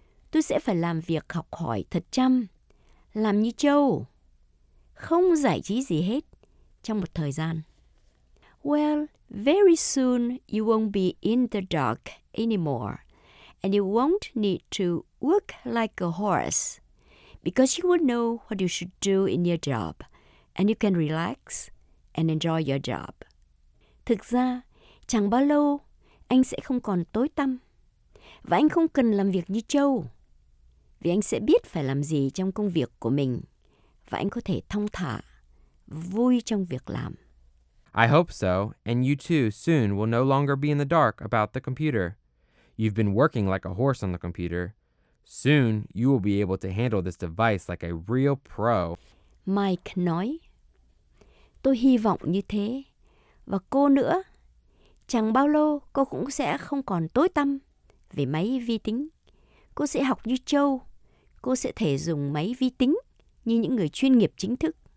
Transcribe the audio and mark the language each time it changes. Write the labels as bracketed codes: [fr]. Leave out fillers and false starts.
[vi] Tôi sẽ phải làm việc học hỏi thật chăm, làm như trâu, không giải trí gì hết trong một thời gian. [en] Well, very soon you won't be in the dark anymore, and you won't need to work like a horse, because you will know what you should do in your job, and you can relax and enjoy your job. [vi] Thực ra, chẳng bao lâu, anh sẽ không còn tối tăm, và anh không cần làm việc như trâu, vì anh sẽ biết phải làm gì trong công việc của mình, và anh có thể thong thả, vui trong việc làm. [en] I hope so, and you too soon will no longer be in the dark about the computer. You've been working like a horse on the computer. Soon, you will be able to handle this device like a real pro. [vi] Mike nói, tôi hy vọng như thế. Và cô nữa, chẳng bao lâu cô cũng sẽ không còn tối tăm về máy vi tính. Cô sẽ học như trâu. Cô sẽ thể dùng máy vi tính như những người chuyên nghiệp chính thức.